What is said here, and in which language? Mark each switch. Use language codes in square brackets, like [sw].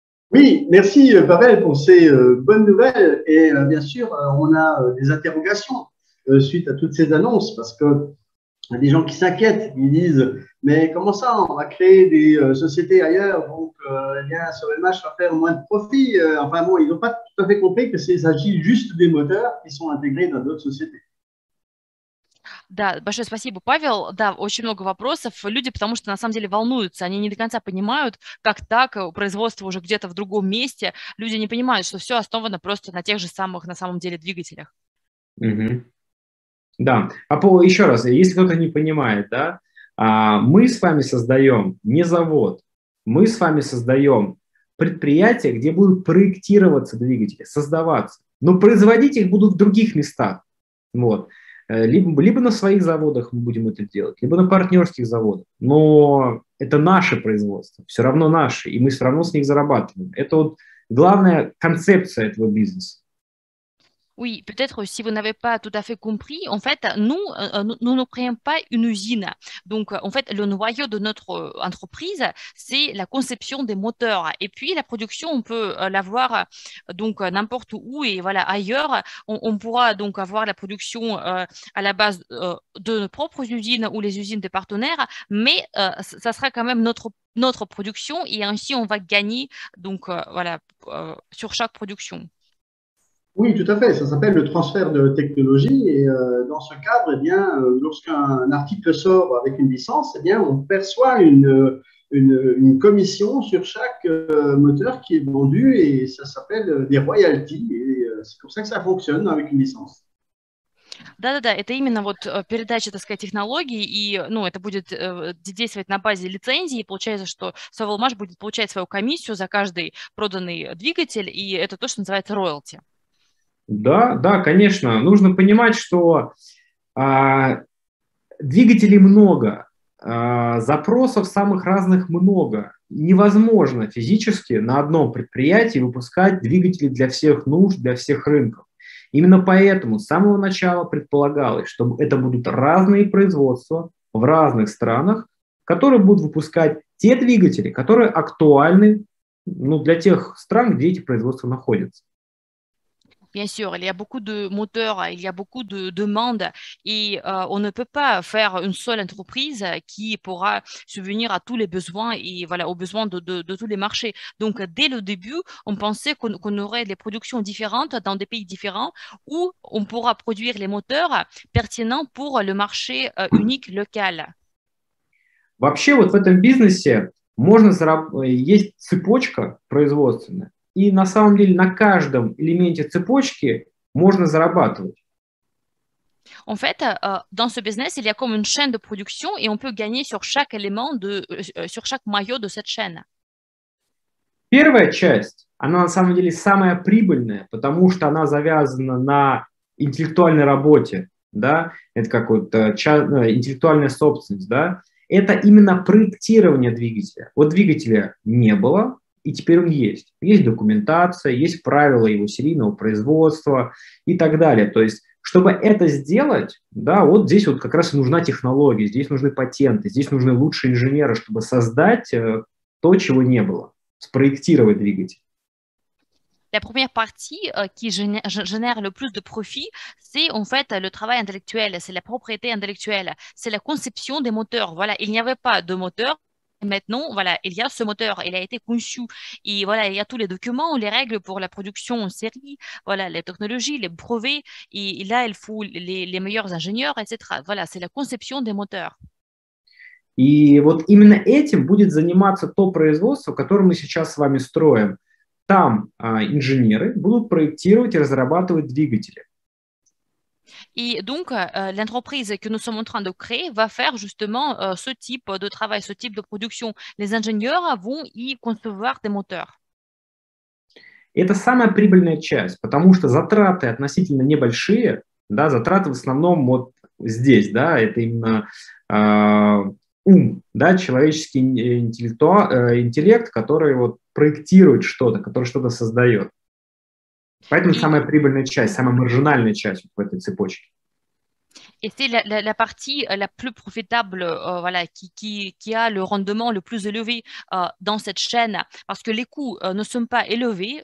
[fr] Oui, merci Pavel pour ces bonnes nouvelles. Et bien sûr, on a des interrogations suite à toutes ces annonces, parce que il y a des gens qui s'inquiètent, ils disent « Mais comment ça, on va créer des sociétés ailleurs, donc ce LMH va faire moins de profit. » Enfin bon, ils n'ont pas tout à fait compris que s'agit juste des moteurs qui sont intégrés dans d'autres sociétés. [ru] Да, большое спасибо, Павел. Да, очень много вопросов. Люди, потому что на самом деле волнуются, они не до конца понимают, как так, производство уже где-то в другом месте. Люди не понимают, что все основано просто на тех же самых, на самом деле, двигателях. Mm-hmm. Да, еще раз, если кто-то не понимает, да, мы с вами создаем не завод, мы с вами создаем предприятие, где будут проектироваться двигатели, создаваться, но производить их будут в других местах, вот. Либо на своих заводах мы будем это делать, либо на партнерских заводах. Но это наше производство, все равно наше, и мы все равно с них зарабатываем. Это вот главная концепция этого бизнеса. [fr] Oui, peut-être si vous n'avez pas tout à fait compris, en fait, nous ne créons pas une usine. Donc, en fait, le noyau de notre entreprise, c'est la conception des moteurs. Et puis, la production, on peut l'avoir donc n'importe où et voilà, ailleurs. On pourra donc avoir la production à la base de nos propres usines ou les usines des partenaires, mais ça sera quand même notre production et ainsi on va gagner donc, voilà, sur chaque production. Oui, tout à fait. Ça s'appelle le transfert de technologie. Et dans ce cadre, eh bien, lorsqu'un article sort avec une licence, eh bien, on perçoit une commission sur chaque moteur qui est vendu et ça s'appelle des royalties. Et c'est pour ça que ça fonctionne avec une licence. [ru] Да-да-да, это именно вот передача, так сказать, технологий, и, ну, это будет действовать на базе лицензии, получается, что Совелмаш будет получать свою комиссию за каждый проданный двигатель, и это то, что называется роялти. Да, да, конечно. Нужно понимать, что двигателей много, запросов самых разных много. Невозможно физически на одном предприятии выпускать двигатели для всех нужд, для всех рынков. Именно поэтому с самого начала предполагалось, что это будут разные производства в разных странах, которые будут выпускать те двигатели, которые актуальны, ну, для тех стран, где эти производства находятся. [fr] Bien sûr, il y a beaucoup de moteurs, il y a beaucoup de demandes et on ne peut pas faire une seule entreprise qui pourra subvenir à tous les besoins et voilà, aux besoins de tous les marchés. Donc, dès le début, on pensait qu'on aurait des productions différentes dans des pays différents où on pourra produire les moteurs pertinents pour le marché unique local. [ru] Вообще, вот в этом бизнесе можно есть цепочка производственная. И на самом деле на каждом элементе цепочки можно зарабатывать. [fr] En fait, dans ce business, il y a comme une chaîne de production et on peut gagner sur chaque élément de sur chaque maillot de cette chaîne. [ru] Первая часть, она на самом деле самая прибыльная, потому что она завязана на интеллектуальной работе, да? Это как вот интеллектуальная собственность, да? Это именно проектирование двигателя. Вот двигателя не было, и теперь он есть. Есть документация, есть правила его серийного производства и так далее. То есть, чтобы это сделать, да, вот здесь вот как раз нужна технология, здесь нужны патенты, здесь нужны лучшие инженеры, чтобы создать то, чего не было, спроектировать двигатель. [fr] La première partie qui génère le plus de profit, c'est en fait le travail intellectuel, c'est la propriété intellectuelle, c'est la conception des moteurs. Voilà, il n'y avait pas de moteur. Maintenant, voilà, il y a ce moteur, il a été conçu, et voilà, il y a tous les documents, les règles pour la production en série, voilà, les technologies, les brevets, et là, il faut les meilleurs ingénieurs, etc. Voilà, c'est la conception des moteurs. [ru] И вот именно этим будет заниматься то производство, которое мы сейчас с вами строим. Там инженеры будут проектировать и разрабатывать двигатели. [fr] Et donc, l'entreprise que nous sommes en train de créer va faire justement ce type de travail, ce type de production. Les ingénieurs vont y concevoir des moteurs. [ru] Это самая прибыльная часть, потому что затраты относительно небольшие, да, затраты в основном вот здесь, да, это именно да, человеческий интеллект, который вот проектирует что-то, который что-то создает. Поэтому самая прибыльная часть, самая маржинальная часть в этой цепочке. [fr] Et c'est la partie la plus profitable, voilà, qui a le rendement le plus élevé dans cette chaîne, parce que les coûts ne sont pas élevés.